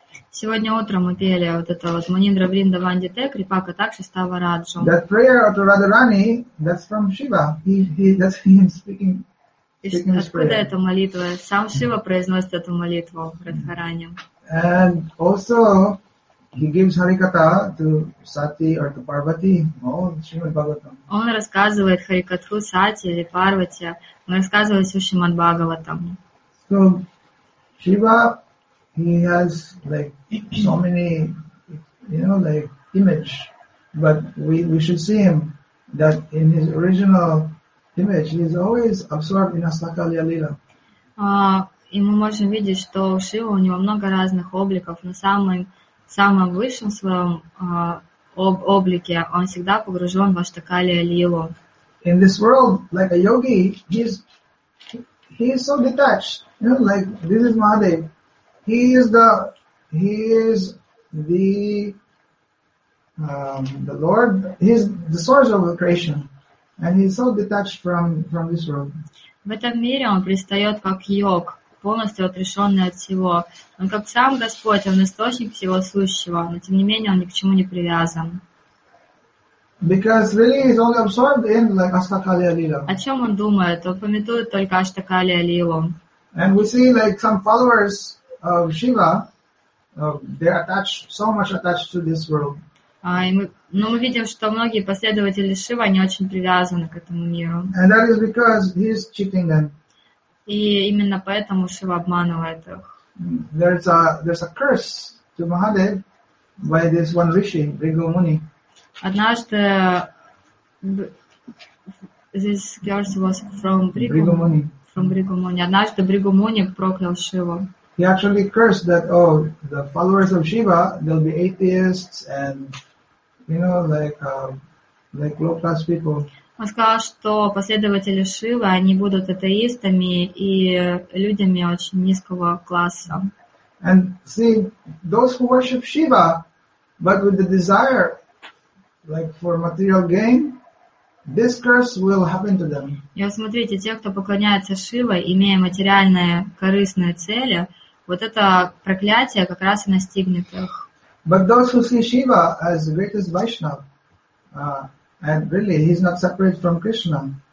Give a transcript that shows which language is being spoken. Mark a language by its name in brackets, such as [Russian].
[Russian] Сегодня утром мы пели вот это вот Манидра Вринда Вандите Крипака Такша Ставараджу. [English] That prayer of Radharani, that's from Shiva. That's him speaking. [Russian] Откуда эта молитва? Сам Шива произносит эту молитву Радхарани. [English] And also he gives Harikata to Sati or to Parvati. Oh, Shrimad Bhagavatam. [Russian] Он рассказывает Харикатху Сати или Парвати. Он рассказывает все Шримад Бхагаватам. [English] So Shiva, he has like so many, you know, like image, but we should see him that in his original image he is always absorbed in Astakalya Lila. [Russian] И мы можем видеть, что у Шивы у него много разных обликов, но самым высшим своем облике он всегда погружен в Астакалья Лилу. [English] In this world, like a yogi, he is so detached. You know, like this is Mahadev. He is the Lord. He is the source of creation, and he is so detached from this world. [Russian] В этом мире он пристает как йог, полностью отрешенный от всего. Он как сам Господь, он источник всего сущего, но тем не менее он ни к чему не привязан. [English] Because really he's only absorbed in like Astakalya Lila. [Russian] О чем он думает? Он памятует только Астакалья Лилу. [English] And we see like some followers of Shiva, they're attached to this world. [Russian] Мы видим, что многие последователи Шивы, они очень привязаны к этому миру. [English] And that is because he is cheating them. [Russian] И именно поэтому Шива обманывает их. [English] There's a curse to Mahadev by this one rishi, Bhrigu Muni. [Russian] Однажды [English] this curse was from Bhrigu Muni. From Bhrigu Muni. [Russian] Однажды Бригу Муни проклял Шиву. [English] He actually cursed that, oh, the followers of Shiva, they'll be atheists and, you know, like low class people. [Russian] Он сказал, что последователи Шивы, они будут атеистами и людьми очень низкого класса. [English] And see, those who worship Shiva, but with the desire, like for material gain, this curse will happen to them. [Russian] И вот смотрите, те, кто поклоняется Шиве, имея материальные корыстные цели, вот это проклятие как раз и настигнет их. [English] But those who see Shiva as the greatest Vaishnava, and really, he's not separate from Krishna.